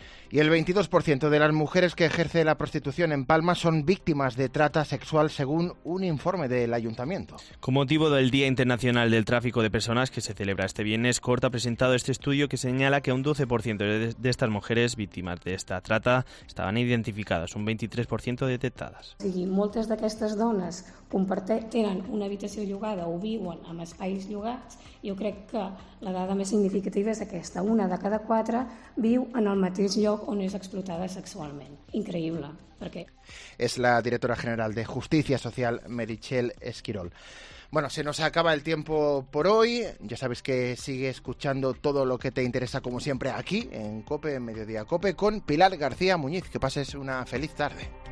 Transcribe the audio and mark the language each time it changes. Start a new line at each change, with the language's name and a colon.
Spanish: y el 22% de las mujeres que ejerce la prostitución en Palma son víctimas de trata sexual, según un informe del ayuntamiento. Con motivo del Día Internacional del Tráfico de Personas, que se celebra este viernes, Cort ha presentado este estudio que señala que un 12% de estas mujeres víctimas de esta trata estaban identificadas, un 23% detectadas.
Catalan: Sí, moltes d'aquestes dones tenen una habitació llogada o viuen en espais llogats. Jo crec que la dada més significativa és aquesta. Una de cada quatre viu en el mateix lloc on és explotada sexualment. Increïble. Per què? És la directora general de Justícia Social, Meritxell Esquirol.
Spanish: Bueno, se nos acaba el tiempo por hoy. Ya sabes que sigue escuchando todo lo que te interesa, como siempre, aquí en COPE, en Mediodía COPE, con Pilar García Muñiz. Que pases una feliz tarde.